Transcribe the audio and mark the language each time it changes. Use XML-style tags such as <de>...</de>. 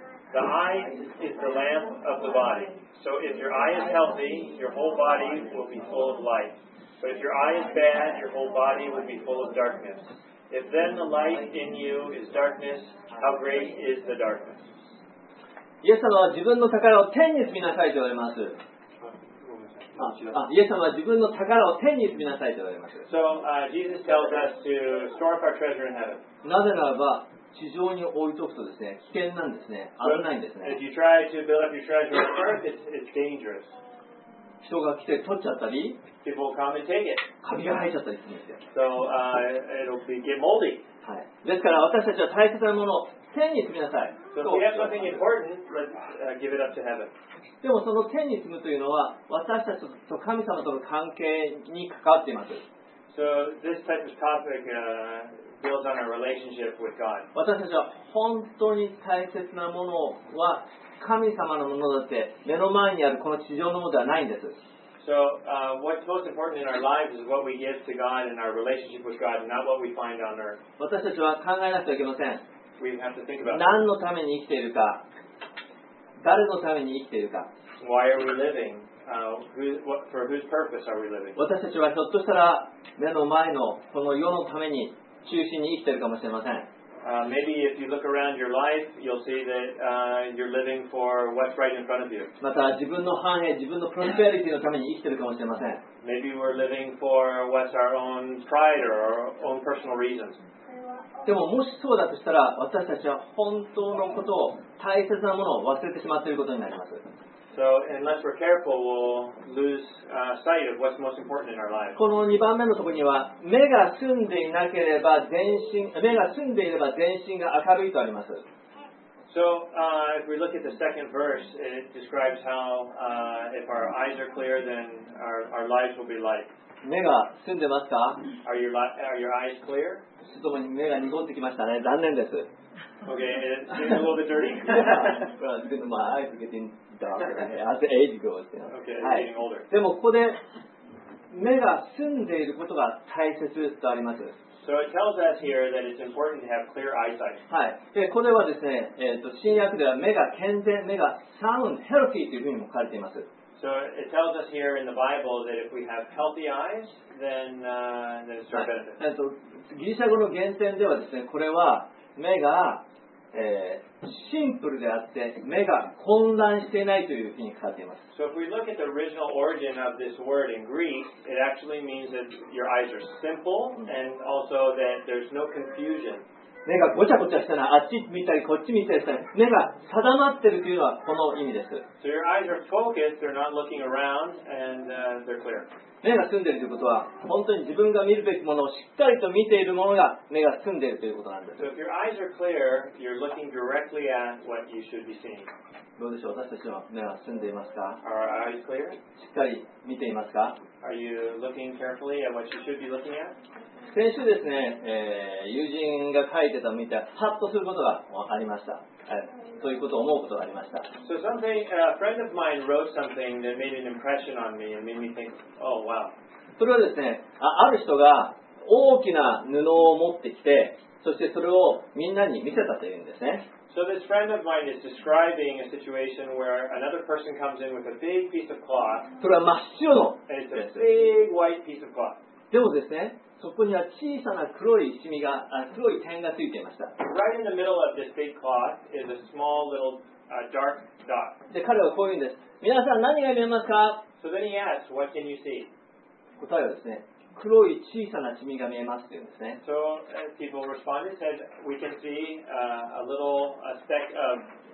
<en>The eye is the lamp of the body. So if your eye is healthy, your whole body will be full of light. But if your eye is bad, your whole body will be full of darkness. If then the light in you is darkness, how great is the darkness?</en> <ja>イエス様は自分の宝を天に積みなさいと言われます。イエス様は自分の宝を天に積みなさいと言われます。</ja> <en>So, Jesus tells us to store up our treasure in heaven.</en> <ja>なぜならば、地上に置いておくとですね、危険なんですね、危ないんですね。</ja> <en>If you try to build up your treasure on earth, it's dangerous.</en> <ja>人が来て取っちゃったり、</ja> <en>People come and take it.</en> <ja>カビが生えちゃったりするんですよ。</ja> <en>So, it'll get moldy.</en> <ja>はい。ですから私たちは大切なものを天に積みなさい。</ja> <en>So, if you have something important, let's, give it up to heaven.</en> <ja>でもその天に積むというのは、私たちと神様との関係に関わっています。</ja> <en>So, this type of topic, builds on our relationship with God.</en> <ja>私たちは本当に大切なものは神様のものだって、目の前にあるこの地上のものではないんです。</ja> <en>So, what's most important in our lives is what we give to God and our relationship with God, not what we find on earth.</en> <ja>私たちは考えなくてはいけません。</ja> <en>We have to think about</en> <ja>何のために生きているか、誰のために生きているか。</ja> <en>Why are we living? For whose purpose are we living?</en> <ja>私たちはひょっとしたら目の前のこの世のために中心に生きているかもしれません。</ja> <en>Maybe if you look around your life, you'll see that, you're living for what's right in front of you.</en> <ja>また自分の繁栄、自分のプロスペリティのために生きているかもしれません。</ja> <en>Maybe we're living for what's our own pride or our own personal reasons.</en> <ja>でももしそうだとしたら、私たちは本当のことを、大切なものを忘れてしまっていることになります。</ja> <en>So unless we're careful, we'll lose sight of what's most important in our lives.</en> <ja>この2番目のところには、目が澄んでいなければ全身、目が澄んでいれば全身が明るいとあります。</ja> <en>So, if we look at the second verse, it describes how, if our eyes are clear, then our lives will be light.</en> <ja>目が澄んでますか</ja> <en>are your eyes clear?</en> <ja>ちょっと目が濁ってきましたね。残念です。</ja> <en>Okay, it's a little bit dirty. Well, my eyes are getting darker as age goes. Okay, getting older.</en> <ja>でもここで目が澄んでいることが大切とあります。</ja> <en>So it tells us here that it's important to have clear eyesight.</en> <ja>はい。で、ここではですね、新約では目が健全、目がサウンド、ヘルフィーというふうにも書いています。</ja> <en>So it tells us here in the Bible that if we have healthy eyes, then it's our benefit.</en> <ja>ギリシャ語の原点ではですね、これは目が、シンプルであって、目が混乱していないというふうに書いています。</ja> <en>So if we look at the original origin of this word in Greek, it actually means that your eyes are simple and also that there's no confusion.</en> <ja>目がごちゃごちゃしたな、あっち見たりこっち見たりしたり、目が定まってるというのはこの意味です。</ja> <en>So your eyes are focused, they're not looking around, and they're clear.</en> <ja>目が澄んでいるということは、本当に自分が見るべきものをしっかりと見ているものが目が澄んでいるということなんです。</ja> <en>So if your eyes are clear, you're looking directly at what you should be seeing.</en> <ja>どうでしょう、私たちは目は澄んでいますか？</ja> <en>Are our eyes clear?</en> <ja>しっかり見ていますか？</ja> <en>Are you looking carefully at what you should be looking at?</en> <ja>先週ですね、友人が書いてたのを見て、ハッとすることがありました。そういうことを思うことがありました。</ja> <en>So something, a friend of mine wrote something that made an impression on me and made me think, oh wow.</en> <ja>それはですね、ある人が大きな布を持ってきて、そしてそれをみんなに見せたというんですね。</ja> <en>So this friend of mine is describing a situation where another person comes in with a big piece of cloth.</en> <ja>それは真っ白の。</ja> <en>And it's a big white piece of cloth.</en> <ja>でもですね、そこには小さな黒い点がついていました。</ja> <en>Right in the middle of this big cloth is a small little dark dot.</en> <ja>で、彼はこう言うんです。皆さん何が見えますか？</ja> <en>So then he asks, what can you see?</en> <ja>答えはですね、黒い小さな染みが見えますというんですね。</ja> <en>So people responded said we can see a little a speck of</en>